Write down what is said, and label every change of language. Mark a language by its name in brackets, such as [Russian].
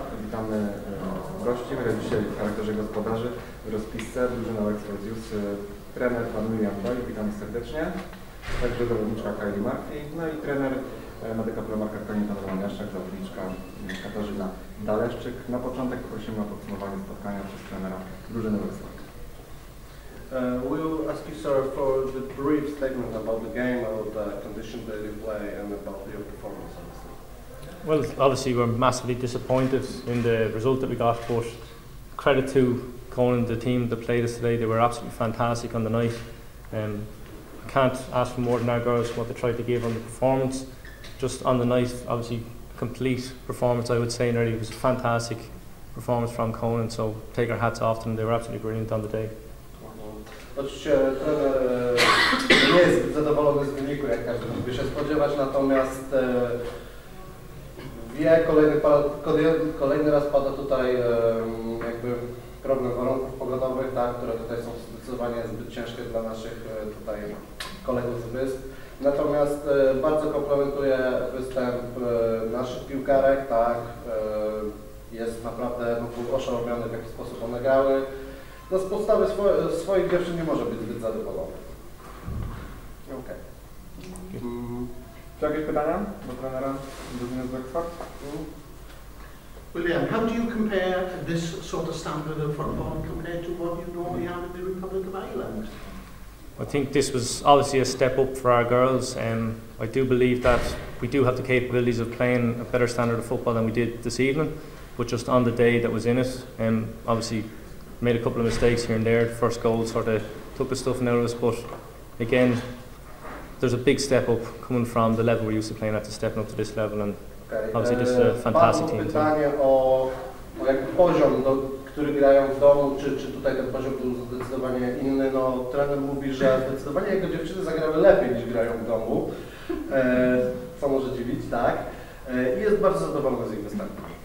[Polish] Witamy gości, wraz dzisiaj w charakterze gospodarzy, rozpisce, drużyna Marshall Hughes, trener pan William Doyle, witam serdecznie, także zawodniczka Kylie Murphy, no i trener Medical Market Konin, pan Roman Jaszczak, zawodniczka Katarzyna Daleszczyk. Na początek prosimy o podsumowanie spotkania przez trenera drużyny Marshall. [English] We'll ask you, sir, for the brief statement about the game, about the conditions that you play, and about your performance, obviously. Well, obviously, we're massively disappointed in the result that we got, but credit to Conan, the team that played us today. They were absolutely fantastic on the night. I can't ask for more than our girls, what they tried to give on the performance. Just on the night, obviously, complete performance, I would say, and really, it was a fantastic performance from Conan, so take our hats off to them. They were absolutely brilliant on the day. [Polish] Oczywiście trener nie jest zadowolony z wyniku, jak każdy mógłby się spodziewać, natomiast wie, kolejny raz pada tutaj jakby problem warunków pogodowych, tak, które tutaj są zdecydowanie zbyt ciężkie dla naszych tutaj kolegów z Wysp. Natomiast bardzo komplementuje występ naszych piłkarek, tak, jest naprawdę był oszałowiony, w jaki sposób one grały. No z podstawy swoich dziewczyn nie może być zbyt zadowolony. Okej. Czy jakieś pytania do trenera drużyny z Wexford? [English] William, how do you compare this sort of standard of football compared to what you normally have in the Republic of Ireland? I think this was obviously a step up for our girls. I do believe that we do have the capabilities of playing a better standard of football than we did this evening, but just on the day that was in it, obviously made a couple of mistakes here and there. First goal sort of took the stuffing out of us, but again, there's a big step up coming from the level we're used to playing at to stepping up to this level, and okay. Obviously this is a fantastic team. [Polish] Pytanie o jak poziom, który grają w domu, czy tutaj ten poziom był zdecydowanie inny. No, trener mówi, że zdecydowanie jego dziewczyny zagrały lepiej niż grają w domu, co może dziwić, tak? I jest bardzo zadowolony z ich występu.